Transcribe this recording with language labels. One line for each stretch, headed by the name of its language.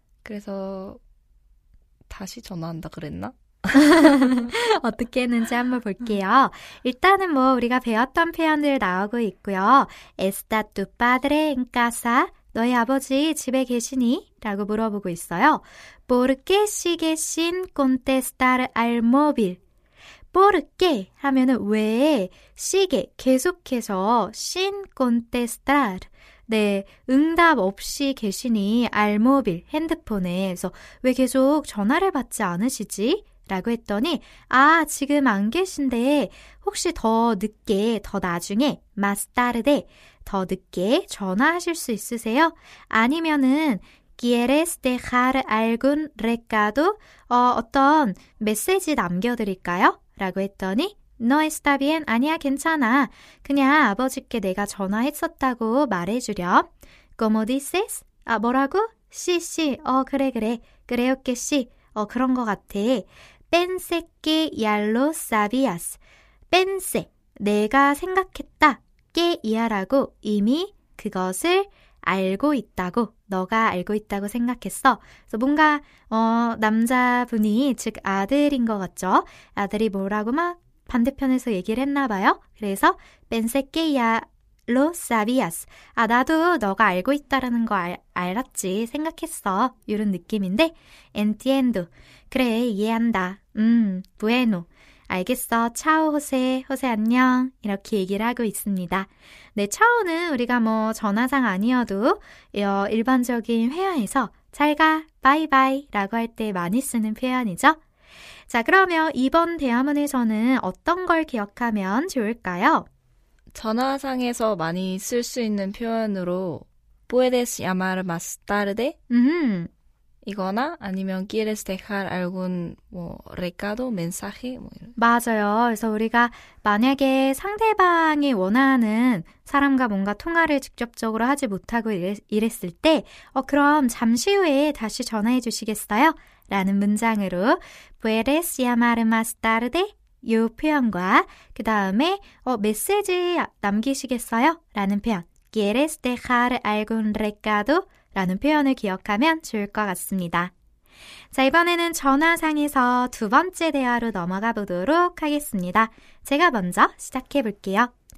Korean: 그래서 다시 전화한다 그랬나? 어떻게 했는지 한번 볼게요. 일단은 뭐 우리가 배웠던 표현들 나오고 있고요.
Spanish: Está tu padre en casa?
Korean: 너희 아버지 집에 계시니? 라고 물어보고 있어요.
Spanish: ¿Por qué sigue sin contestar al móvil? ¿Por qué?
Korean: 하면 왜 sigue 계속해서
Spanish: sin contestar
Korean: 네, 응답 없이 계시니
Spanish: al móvil
Korean: 핸드폰에 그래서 왜 계속 전화를 받지 않으시지? 라고 했더니 아, 지금 안 계신데 혹시 더 늦게, 더 나중에
Spanish: más tarde
Korean: 더 늦게 전화하실 수 있으세요? 아니면은
Spanish: ¿Quieres dejar algún recado?
Korean: 어떤 메시지 남겨드릴까요? 라고 했더니
Spanish: No está bien.
Korean: 아니야, 괜찮아. 그냥 아버지께 내가 전화했었다고 말해주렴.
Spanish: ¿Cómo dices?
Korean: 아, 뭐라고?
Spanish: Sí, sí.
Korean: 그래, 그래.
Spanish: Creo que sí.
Korean: 그런 것 같아.
Spanish: Pensé que ya lo sabías. Pensé.
Korean: 내가 생각했다. 이하라고 이미 그것을 알고 있다고 너가 알고 있다고 생각했어. 그래서 뭔가 남자분이 즉 아들인 것 같죠. 아들이 뭐라고 막 반대편에서 얘기를 했나 봐요. 그래서
Spanish: Pensé que ya lo sabías.
Korean: 아, 나도 너가 알고 있다라는 거 알았지 생각했어. 이런 느낌인데
Spanish: Entiendo.
Korean: 그래 이해한다.
Spanish: Bueno.
Korean: 알겠어. 차오, 호세. 호세, 안녕. 이렇게 얘기를 하고 있습니다. 네, 차오는 우리가 뭐 전화상 아니어도 일반적인 회화에서 잘가, 바이바이 라고 할 때 많이 쓰는 표현이죠. 자, 그러면 이번 대화문에서는 어떤 걸 기억하면 좋을까요? 전화상에서 많이 쓸 수 있는 표현으로
Spanish: Puedes llamar más tarde?
Korean: 이거나 아니면
Spanish: quieres dejar algún recado, mensaje?
Korean: 맞아요. 그래서 우리가 만약에 상대방이 원하는 사람과 뭔가 통화를 직접적으로 하지 못하고 이랬을 때 그럼 잠시 후에 다시 전화해 주시겠어요? 라는 문장으로
Spanish: Puedes llamar más tarde?
Korean: 이 표현과 그 다음에 메시지 남기시겠어요? 라는 표현
Spanish: Quieres dejar algún recado?
Korean: 라는 표현을 기억하면 좋을 것 같습니다. 자, 이번에는 전화상에서 두 번째 대화로 넘어가 보도록 하겠습니다. 제가 먼저 시작해 볼게요.